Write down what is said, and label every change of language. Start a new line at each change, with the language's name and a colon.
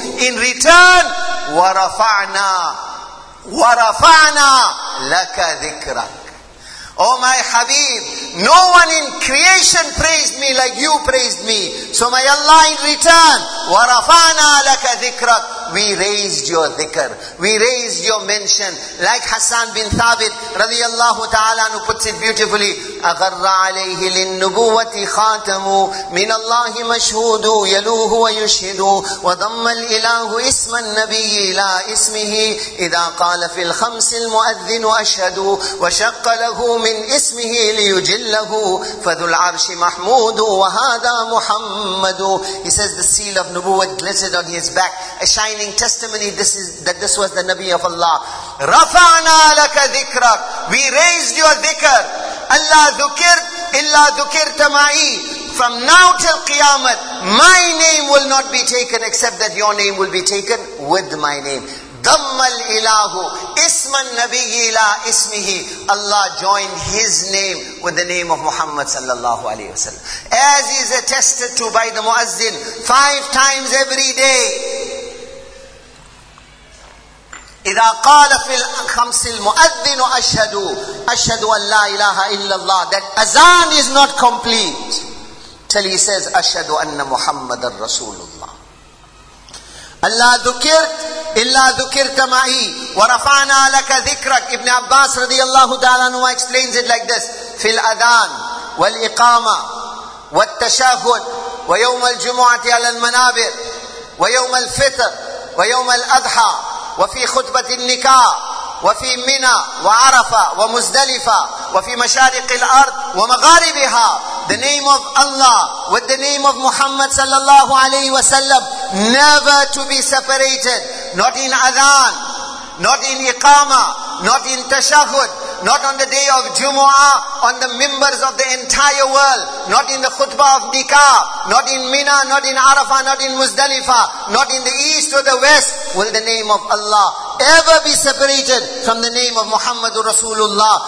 English: In return,
Arabic: warafa'na, warafa'na laka dhikra.
English: Oh my Habib, no one in creation praised me like you praised me. So my Allah, in return,
Arabic: وَرَفَعْنَا لَكَ ذِكْرَكَ.
English: We raised your dhikr. We raised your mention. Like Hassan bin Thabit, radiyallahu ta'ala, who puts it beautifully,
Arabic: أَغَرَّ عَلَيْهِ لِلنُّبُوَّةِ خَاتَمُ مِنَ اللَّهِ مَشْهُودُ يَلُوهُ وَيُشْهِدُ وَضَمَّ الْإِلَهُ إِسْمَ النَّبِيِّ إِلَىٰ إِسْمِهِ إِذَا قَالَ فِي الْخَمْسِ الْمُؤَذِّنُ أَشْهَدُ وَشَقَّ لَهُ مِنْ إِسْمِهِ لِيُجِلَّهُ فَذُو الْعَرْشِ مَحْمُودُ وَهَذَا مُحَمَّدُ.
English: He says the seal of nubuwwah glittered on his back, a shining testimony this was the Nabi of Allah.
Arabic: رَفَعْنَا لَكَ ذِكْرَكَ.
English: We raised your dhikr.
Arabic: Allah dhukir illa dhukir tama'i.
English: From now till Qiyamah, my name will not be taken except that your name will be taken with my name.
Arabic: Dhammal ilahu isman nabiyyi ila ismihi.
English: Allah joined his name with the name of Muhammad sallallahu alayhi wasallam. As is attested to by the muazzin, 5 times every day.
Arabic: إذا قال في الخمس المؤذن أشهد أشهد أن لا إله إلا الله,
English: that azan is not complete till he says
Arabic: أشهد أن محمد رسول الله. الله ذكرت إلا ذكرت معي ورفعنا لك ذكرك. Ibn Abbas رضي الله تعالى عنه
English: explains it like this:
Arabic: في الأذان والإقامة والتشهد ويوم الجمعة على المنابر ويوم الفطر ويوم الأضحى وفي خطبة النكاء وفي منى وعرفة ومزدلفة وفي مشارق الأرض ومغاربها.
English: The name of Allah with the name of Muhammad sallallahu alayhi wa sallam never to be separated, not in adhan, not in iqama, not in tashahud, not on the day of Jumu'ah on the members of the entire world, not in the khutbah of Nikah, not in Mina, not in Arafah, not in Muzdalifah, not in the east or the west will the name of Allah ever be separated from the name of Muhammadur Rasulullah.